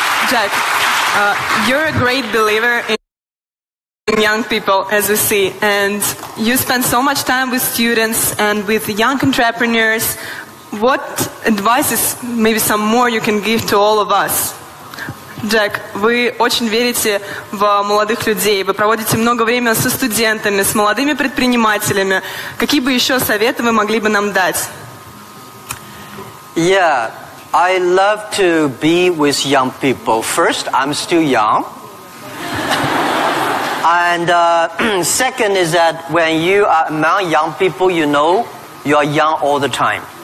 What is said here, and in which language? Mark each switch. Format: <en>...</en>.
<en>Jack, you're a great believer in young people, as we see, and you spend so much time with students and with young entrepreneurs. What advice is maybe some more you can give to all of us?</en> <ru>Джек, вы очень верите в молодых людей, вы проводите много времени со студентами, с молодыми предпринимателями. Какие бы еще советы вы могли бы нам дать?</ru> <en>Yeah, I love to be with young people. First, I'm still young. And second is that when you are among young people, you know you are young all the time.</en>